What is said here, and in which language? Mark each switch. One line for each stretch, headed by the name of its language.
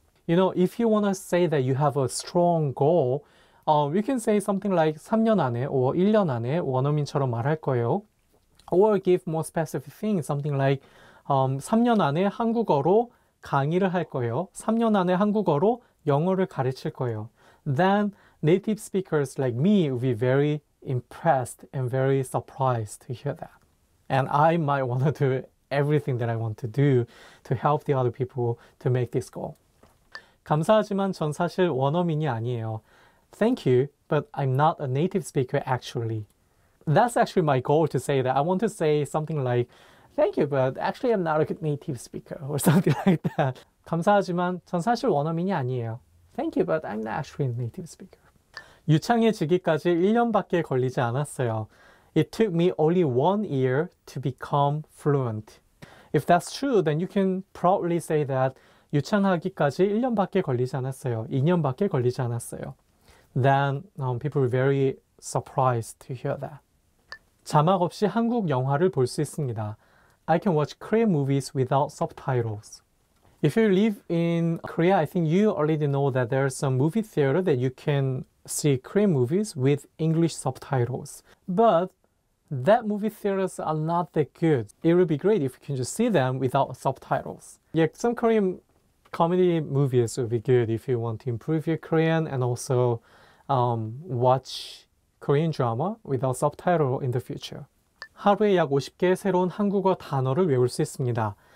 English: You know, if you want to say that you have a strong goal, you can say something like
Korean: 3년 안에
English: or
Korean: 1년 안에 원어민처럼 말할 거예요.
English: Or give more specific things, something like
Korean: 3년 안에 한국어로 강의를 할 거예요. 3년 안에 한국어로 영어를 가르칠 거예요.
English: Then native speakers like me will be very impressed and very surprised to hear that. And I might want to do everything that I want to do to help the other people to make this goal.
Korean: 감사하지만 전 사실 원어민이 아니에요.
English: Thank you, but I'm not a native speaker actually. That's actually my goal to say that. I want to say something like, thank you, but actually I'm not a native speaker or something like that.
Korean: 감사하지만 전 사실 원어민이 아니에요.
English: Thank you, but I'm not actually a native speaker.
Korean: 유창해지기까지 1년밖에 걸리지 않았어요.
English: It took me only 1 year to become fluent. If that's true, then you can proudly say that
Korean: 유창하기까지 1년밖에 걸리지 않았어요. 2년밖에 걸리지 않았어요.
English: Then people were very surprised to hear that.
Korean: 자막 없이 한국 영화를 볼 수 있습니다.
English: I can watch Korean movies without subtitles. If you live in Korea, I think you already know that there are some movie theater that you can see Korean movies with English subtitles. But that movie theaters are not that good. It would be great if you can just see them without subtitles. Yeah, some Korean comedy movies would be good if you want to improve your Korean and also watch Korean drama without subtitles in the future.
Korean: 하루에 약 50개의 새로운 한국어 단어를 외울 수 있습니다.